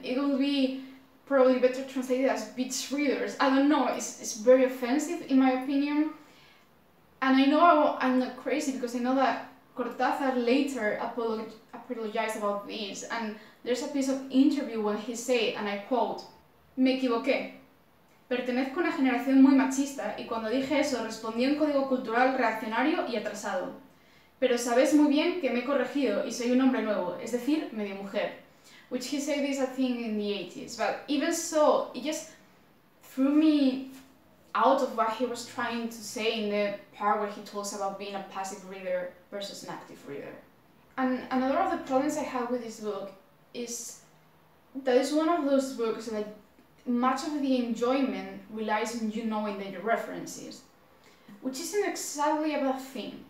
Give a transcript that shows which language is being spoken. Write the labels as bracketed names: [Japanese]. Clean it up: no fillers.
[English] It will be probably better translated as bitch readers. I don't know, it's very offensive in my opinion. And I know I'm not crazy, because I know that Cortázar later apologized about this, and there's a piece of interview where he said, and I quote, [Spanish] me equivoqué. Pertenezco a una generación muy machista, y cuando dije eso respondí un código cultural reaccionario y atrasado. Pero sabes muy bien que me he corregido y soy un hombre nuevo, es decir, medio mujer. [English] Which he said is a thing in the 80s, but even so, it just threw me out of what he was trying to say in the part where he talks about being a passive reader versus an active reader. And another of the problems I have with this book is that it's one of those books that much of the enjoyment relies on you knowing the references, which isn't exactly a bad thing.